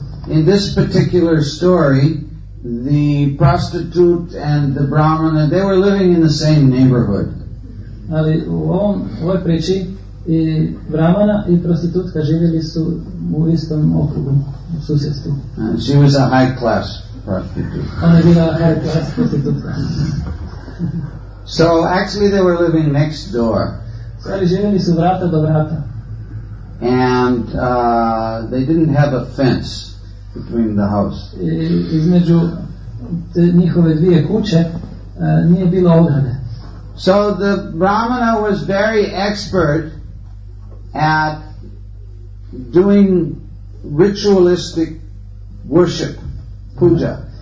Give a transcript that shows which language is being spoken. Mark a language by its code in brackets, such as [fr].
[en] In this particular story, the prostitute and the brahmana, they were living in the same neighborhood. [hr] Ali u ovom, ovoj priči i brahmana i prostitutka živjeli su u istom okrugu, u susjedstvu. [en] She was a high class prostitute. [hr] Ona je bila [en] high class [hr] prostitutka. [en] So actually they were living next door. [hr] Stali živjeli su vrata do vrata. [en] And they didn't have a fence between the house. [hr] Između njihove dvije kuće nije bilo ograde. [en] So the brahmana was very expert at doing ritualistic worship, puja.